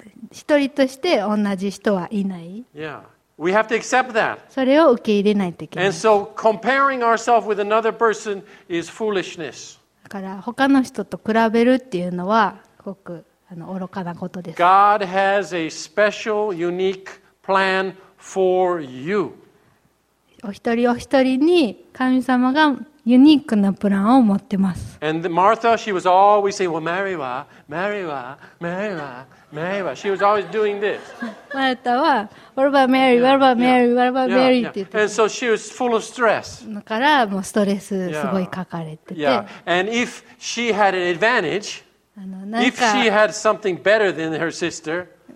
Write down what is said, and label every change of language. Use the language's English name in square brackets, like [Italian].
[Japanese] 一人として同じ人はいない。 [English] Yeah. We have to accept that. [Japanese] それを受け入れないといけない。 [English] And so comparing ourselves with another person is foolishness. [Japanese] だから他の人と比べるっていうのはすごく。愚かなことです。 [English] God has a special, unique plan for you. [Japanese] お一人お一人に神様がユニークなプランを持ってます。 [English] And Martha, she was always saying, "Well, Mary wa, Mary wa, Mary wa, Mary wa." She was always doing this. マルタは、What about Mary? What about Mary? Yeah, what about Mary? [Japanese] Yeah, yeah. って言って。 [English] And so she was full of stress. [Japanese] だからもうストレスすごいかかれてて。 [English] Yeah. Yeah. And if she had an advantage. If she had something better than her sister,